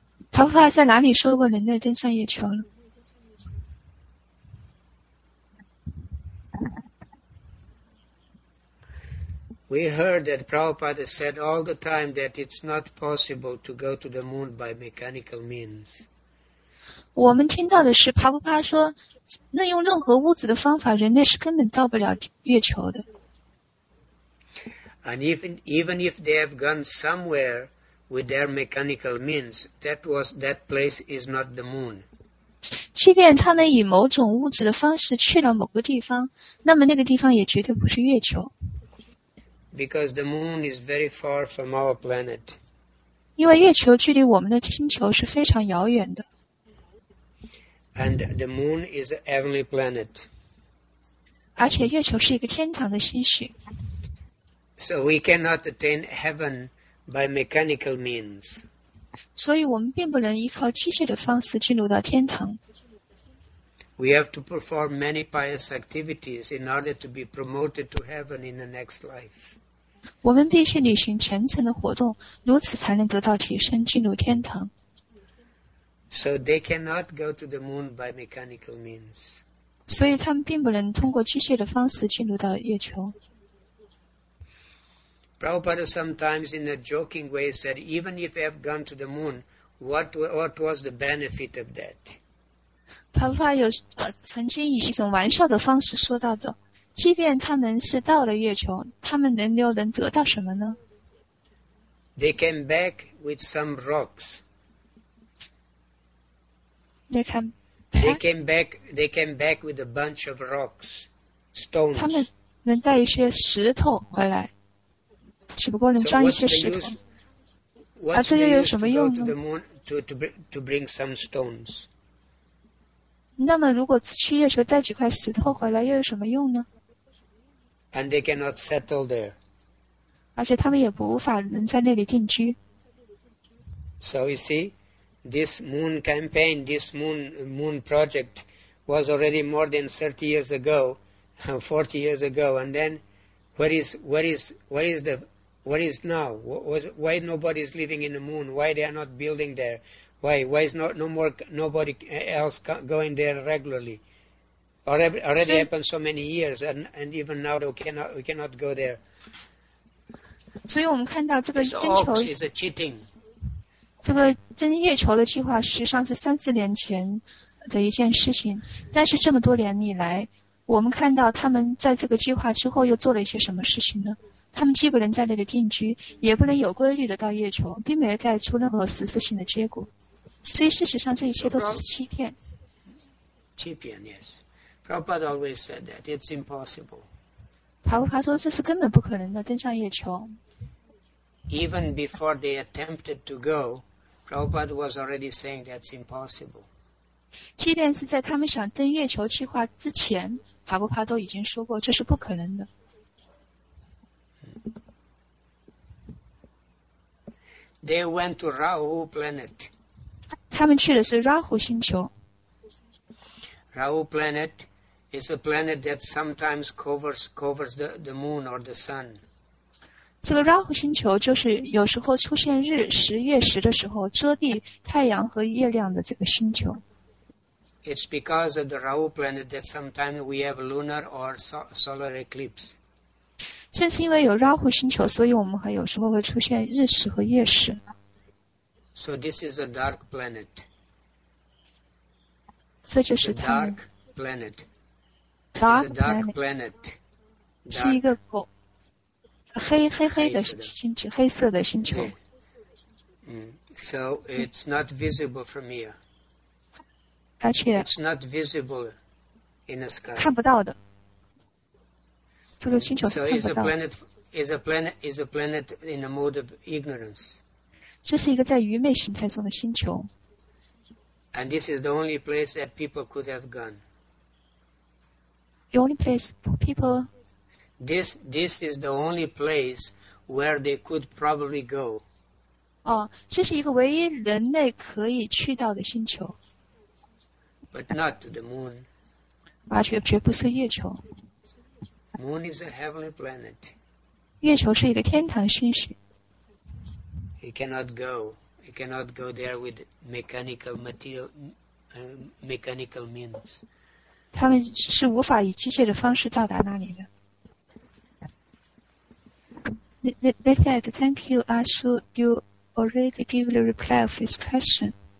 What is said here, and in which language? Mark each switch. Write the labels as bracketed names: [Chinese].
[Chinese] Prabhupada 在哪里说过人类登上月球了？ [English] We heard that Prabhupada said all the time that it's not possible to go to the moon by mechanical means. [Chinese] 我们听到的是帕布帕说，那用任何物质的方法，人类是根本到不了月球的。 [English] And even if they have gone somewhere with their mechanical means, that place is not the moon. [Chinese] 即便他们以某种物质的方式去了某个地方，那么那个地方也绝对不是月球。 [English] Because the moon is very far from our planet. [Chinese] 因为月球距离我们的星球是非常遥远的。 [English] And the moon is a heavenly planet. [Chinese] 而且月球是一个天堂的星系。 [English] So we cannot attain heaven by mechanical means. [Chinese] 所以我们并不能依靠机械的方式进入到天堂。 [English] We have to perform many pious activities in order to be promoted to heaven in the next life. [Chinese] 我们必须履行虔诚的活动，如此才能得到提升，进入天堂。 [English] So they cannot go to the moon by mechanical means. [Chinese] 所以他们并不能通过机械的方式进入到月球。 [English] Prabhupada sometimes in a joking way said, even if I have gone to the moon, what was the benefit of that? [Chinese] 帕帕有曾经以一种玩笑的方式说到的，即便他们是到了月球，他们能得到什么呢？ [English] They came back with some rocks. They came back with a bunch of rocks, stones. [Chinese] 他们能带一些石头回来，只不过能装一些石头。这又有什么用呢？ [English] To bring some stones. [Chinese] 那么如果去月球带几块石头回来又有什么用呢？ [English] And they cannot settle there. [Chinese] 而且他们也不无法能在那里定居。 [English] So you see, this moon campaign, this moon project was already more than 30 years ago, 40 years ago, and then where is now? Why nobody is living in the moon? Why they are not building there? Why is nobody else going there regularly? Already happened so many years, and even now we cannot go there. [Chinese] 所以我们看到这个星球 [English] is a cheating. [Chinese] 这个登月球的计划实际上是三四年前的一件事情，但是这么多年以来，我们看到他们在这个计划之后又做了一些什么事情呢？他们既不能在那里定居，也不能有规律的到月球，并没有带出任何实质性的结果。所以事实上，这一切都是欺骗。 [English] Chipian, yes. Prabhupada always said that it's impossible. [Chinese] 帕布帕说这是根本不可能的，登上月球。 [English] Even before they attempted to go, Prabhupada was already saying that's impossible. [Chinese] 即便是在他们想登月球计划之前，帕布帕都已经说过这是不可能的。 [English] They went to Rahu planet. [Chinese] 他们去的是 Rahu 星球。 [English] Rahu planet is a planet that sometimes covers the moon or the sun. [Chinese] 这个 Rahu 星球就是有时候出现日食月食的时候遮蔽太阳和月亮的这个星球。 [English] It's because of the Rahu planet that sometimes we have lunar or solar eclipse. [Chinese] 正是因为有 Rahu 星球，所以我们还有时候会出现日食和月食。 [English] So this is a dark planet. [Chinese] 这就是它。 [English] Dark planet. Dark planet. [Chinese] 是一个狗。黑的星球，黑色的星球。 [English] So it's not visible from here. [Chinese] 而且 [English] It's not visible in the sky. [Chinese] 看不到的。这个星球是看不到的。 [English] So is a planet in a mode of ignorance. [Chinese] 这是一个在愚昧形态中的星球。 [English] And this is the only place that people could have gone. The only place people... This is the only place where they could probably go. [Chinese] 哦，这是一个唯一人类可以去到的星球。 [English] But not to the moon. [Chinese] 绝不是月球。 [English] Moon is a heavenly planet. [Chinese] 月球是一个天堂星系。 [English] It cannot go there with mechanical means. [Chinese] 他们是无法以机械的方式到达那里的。 [English] They said, thank you, Asu. You already gave the reply of this question.